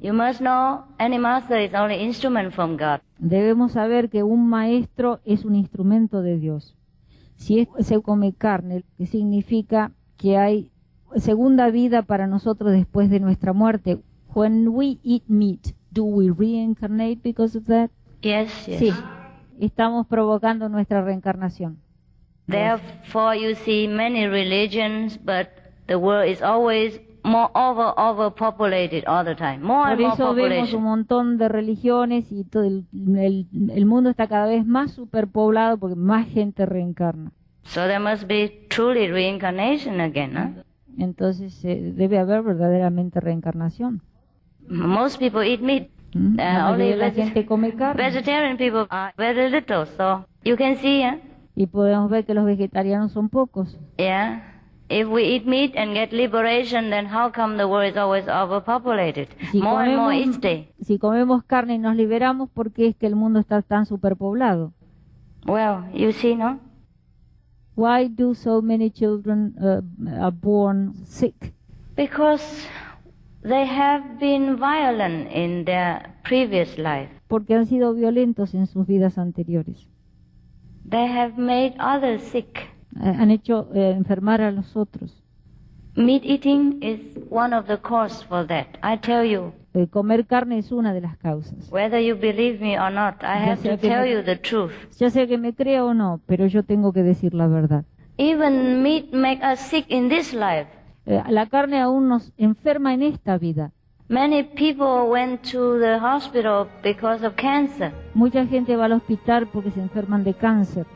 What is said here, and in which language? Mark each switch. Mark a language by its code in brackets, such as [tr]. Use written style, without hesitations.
[en] You must know any master is only instrument from God. [es] Debemos saber que un maestro es un instrumento de Dios. Si se come carne, que significa que hay segunda vida para nosotros después de nuestra muerte. [en] When we eat meat, do we reincarnate because of that? Yes, yes. [es] Sí, estamos provocando nuestra reencarnación. [en] Therefore, you see many religions, but the world is always more overpopulated all the time. More and more population. [es] Por eso vemos un montón de religiones y todo el mundo está cada vez más superpoblado porque más gente reencarna. [en] So there must be truly reincarnation again, huh? [es] Entonces debe haber verdaderamente reencarnación. [en] Most people eat meat. [es] La gente come carne. [en] Vegetarian people are very little, so you can see, yeah. [es] Y podemos ver que los vegetarianos son pocos. [en] Yeah. If we eat meat and get liberation, then how come the world is always overpopulated? More and more each day. [es] Si comemos carne y nos liberamos, ¿por qué es que el mundo está tan superpoblado? [en] Well, you see, no? Why do so many children are born sick? Because they have been violent in their previous life. [es] Porque han sido violentos en sus vidas anteriores. [en] They have made others sick. [es] Han hecho enfermar a los otros. [en] Meat eating is one of the causes for that. I tell you. [es] Comer carne es una de las causas. [en] Whether you believe me or not, I have to tell you the truth. [es] Ya sea que me crea o no, pero yo tengo que decir la verdad. [en] Even meat makes us sick in this life. [es] La carne aún nos enferma en esta vida. [en] Many people went to the hospital because of cancer. [es] Mucha gente va al hospital porque se enferman de cáncer.